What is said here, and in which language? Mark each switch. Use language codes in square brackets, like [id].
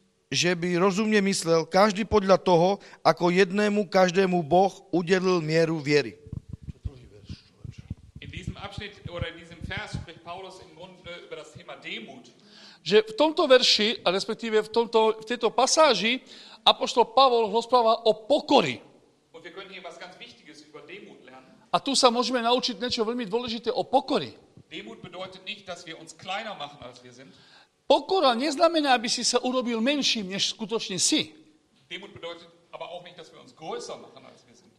[sk] Že by rozumne myslel každý podľa toho, ako jednému každému Boh udelil mieru viery. Druhý verš, človeč. [de] In diesem abschnitt, oder in diesem vers, spricht Paulus im Grunde über das Thema Demut. [sk] Že v tomto verši, respektíve v tejto pasáži, apoštol Pavol rozpráva o pokory. [de] Und wir können hier was ganz wichtig. [sk] A tu sa môžeme naučiť niečo veľmi dôležité o pokory. [de] Demut bedeutet nicht, dass wir uns kleiner machen, als wir sind. [sk] Pokora neznamená, aby si sa urobil menším, než skutočne si. [de] Demut bedeutet aber auch nicht, dass wir uns größer machen, als wir sind.